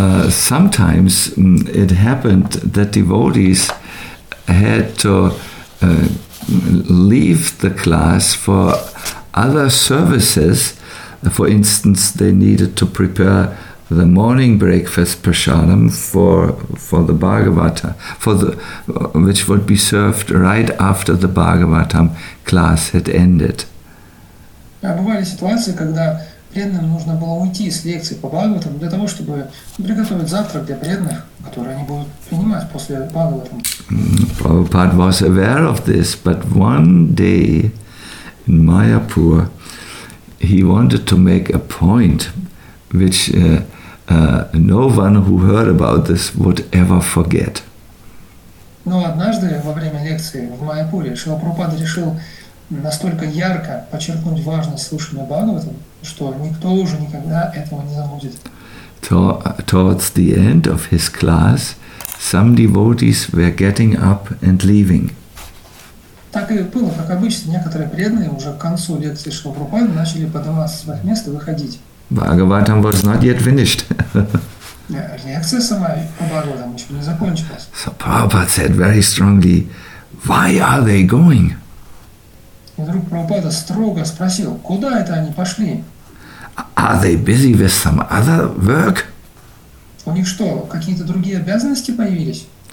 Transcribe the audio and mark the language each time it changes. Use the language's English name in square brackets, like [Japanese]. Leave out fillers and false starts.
[English] Sometimes it happened that devotees had to leave the class for other services. For instance, they needed to prepare the morning breakfast prasadam for the Bhagavata, which would be served right after the Bhagavatam class had ended. [Russian] Бывали ситуации, когда преданным нужно было уйти с лекции по Бхагаватам для того, чтобы приготовить завтрак для преданных, которые они будут принимать после Бхагаватам. [English] Prabhupada was aware of this, but one day in Mayapur, he wanted to make a point which no one who heard about this would ever forget. [Russian] Но однажды во время лекции в Майяпуре Шрила Прабхупада решил настолько ярко подчеркнуть важность слушания Бхагаватам, что никто уже никогда этого не забудет. [English] Towards the end of his class, some devotees were getting up and leaving. [Russian] Так и было, как обычно, некоторые преданные уже к концу лекции Шрила Прабхупады начали подниматься со своих мест и выходить. [English] Bhagavatam was not yet finished. [Russian] Лекция сама по Бхагаватам еще не закончилась. [English] So Prabhupada said very strongly, why are they going? [Russian] И вдруг Прабхупада строго спросил, куда это они пошли? [English] Are they busy with some other work? [Russian] У них что, какие-то другие обязанности появились?